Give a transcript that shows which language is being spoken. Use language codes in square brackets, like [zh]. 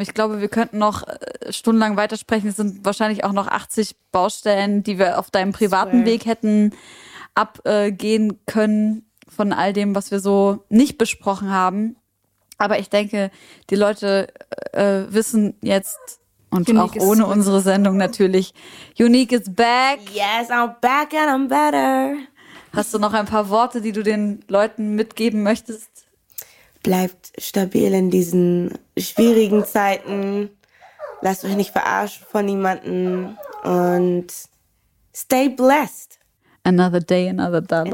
[de] Ich glaube, wir könnten noch stundenlang weitersprechen. Es sind wahrscheinlich auch noch 80 Baustellen, die wir auf deinem privaten Weg hätten abgehen können von all dem, was wir so nicht besprochen haben. Aber ich denke, die Leute wissen jetzt, und Unique auch ohne unsere Sendung natürlich, [en] Unique is back. Yes, I'm back and I'm better. [de] Hast du noch ein paar Worte, die du den Leuten mitgeben möchtest? Bleibt stabil in diesen schwierigen Zeiten. Lasst euch nicht verarschen von niemandem. [en] Und stay blessed. Another day, another dollar.